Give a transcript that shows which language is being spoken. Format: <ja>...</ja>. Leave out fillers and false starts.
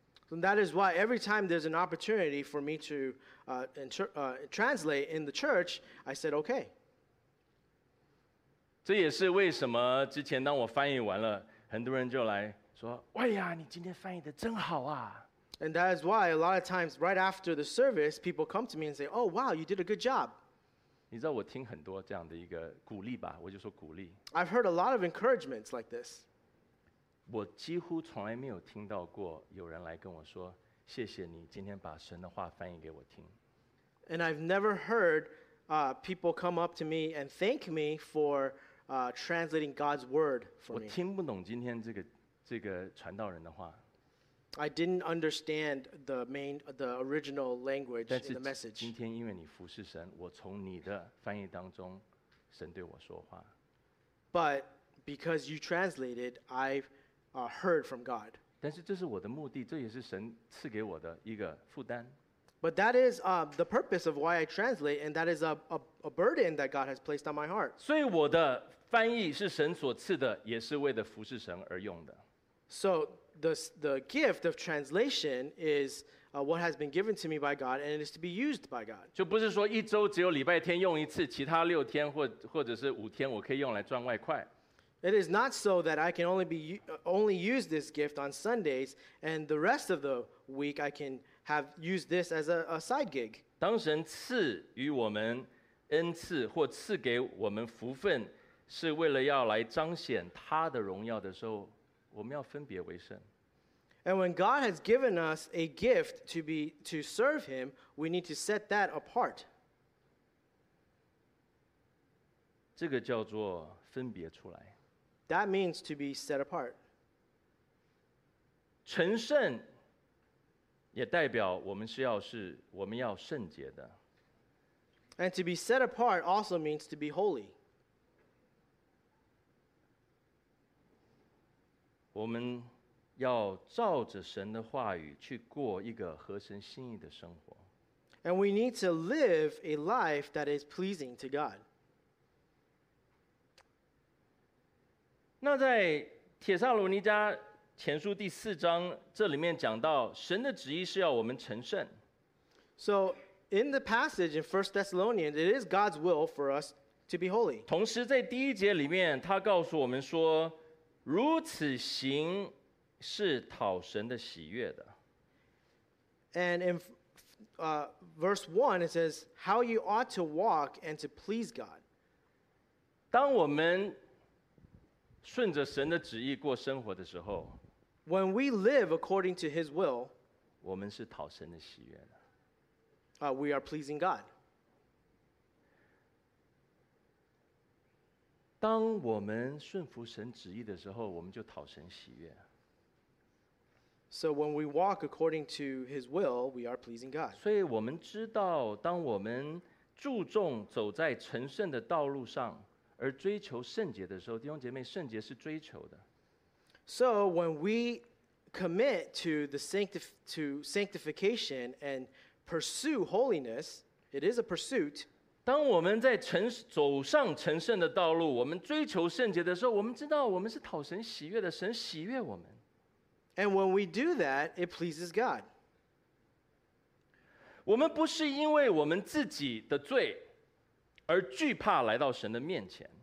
<en>So that is why every time there's an opportunity for me to translate in the church, I said OK.</en> <zh>这也是为什么之前当我翻译完了，很多人就来说：“哎呀，你今天翻译的真好啊！”</zh> <en>And that is why a lot of times, right after the service, people come to me and say, "Oh, wow, you did a good job."</en> <zh>你知道我听很多这样的一个鼓励吧？我就说鼓励。</zh> <en>I've heard a lot of encouragements like this.</en> <zh>我几乎从来没有听到过有人来跟我说：“谢谢你今天把神的话翻译给我听。”</zh> <en>And I've never heard people come up to me and thank me for translating God's word for me.</en> <zh>我听不懂今天这个传道人的话。</zh> <en>I didn't understand the original language in the message.</en> <zh>今天因为你服侍神，我从你的翻译当中，神对我说话。</zh> <en>But because you translated, I've heard from God.</en> <zh>但是这是我的目的，这也是神赐给我的一个负担。</zh> <en>But that is the purpose of why I translate, and that is a burden that God has placed on my heart.</en> <zh>所以我的翻译是神所赐的，也是为了服侍神而用的。</zh> <en>So. The gift of translation is what has been given to me by God, and it is to be used by God.</en> <zh>就不是说一周只有礼拜天用一次，其他六天或者是五天我可以用来赚外快。</zh> <en>It is not so that I can only use this gift on Sundays, and the rest of the week I can use this as a side gig.</en> <zh>当神赐予我们恩赐或赐给我们福分，是为了要来彰显他的荣耀的时候，我们要分别为圣。</zh> <en>And when God has given us a gift to serve Him, we need to set that apart.</en> <zh>这个叫做分别出来。</zh> <en>That means to be set apart.</en> <zh>成圣也代表我们是要是我们要圣洁的。</zh> <en>And to be set apart also means to be holy.</en> <zh>我们要照着神的话语去过一个合神心意的生活。</zh> <en>And we need to live a life that is pleasing to God.</en> <zh>那在帖撒罗尼迦前书第四章，这里面讲到神的旨意是要我们成圣。</zh> <en>So in the passage in 1 Thessalonians, it is God's will for us to be holy.</en> <zh>同时在第一节里面，他告诉我们说，如此行是讨神的喜悦的。</zh> <en>And in verse 1, it says, how you ought to walk and to please God.</en> <zh>当我们顺着神的旨意过生活的时候，</zh> <en>when we live according to His will,</en> <zh>我们是讨神的喜悦的。</zh> <en>We are pleasing God.</en> <zh>当我们顺服神旨意的时候，我们就讨神喜悦。</zh> <en>So when we walk according to His will, we are pleasing God.</en> <zh>所以我们知道，当我们注重走在成圣的道路上，而追求圣洁的时候，弟兄姐妹，圣洁是追求的。</zh> <en>So when we commit to the sanctification and pursue holiness, it is a pursuit.</en> <zh>当我们在走上成圣的道路，我们追求圣洁的时候，我们知道我们是讨神喜悦的，神喜悦我们。</zh> <en>And when we do that, it pleases God.</en> <zh>我们不是因为我们自己的罪而惧怕来到神的面前。</zh>